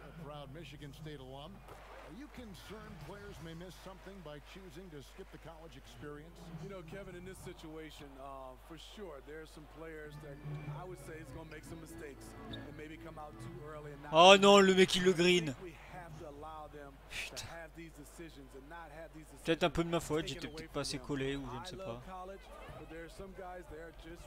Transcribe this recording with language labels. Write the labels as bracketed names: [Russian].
[English] A proud Michigan State alum. Are you concerned players may miss something by choosing to skip the college experience? You know, Kevin, in this situation, for sure, there are some players that I would say is going to make some mistakes and maybe come out too early. And not [French] oh non, le mec il le green. [English] We have to allow them to have these decisions and not have these decisions. [French] Peut-être un peu de ma faute, j'étais peut-être pas assez collé ou je ne sais pas. [English] College, but there are some guys there just